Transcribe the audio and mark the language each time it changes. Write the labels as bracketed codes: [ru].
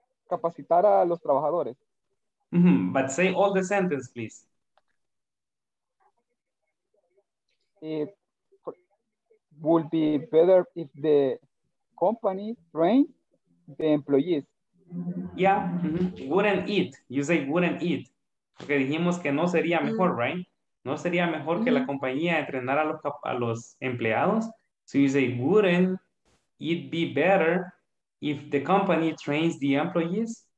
[es] Capacitar a los trabajadores. [en] Mm-hmm. But say all the sentence, please. It would be better if the company trained the employees. Yeah, mm-hmm. Wouldn't it? You say wouldn't it. [es] Porque dijimos que no sería mejor, mm-hmm. [en] right? [es] No sería mejor mm-hmm. que la compañía entrenara a los empleados. [en] So you say, wouldn't it be better if the company trains the employees?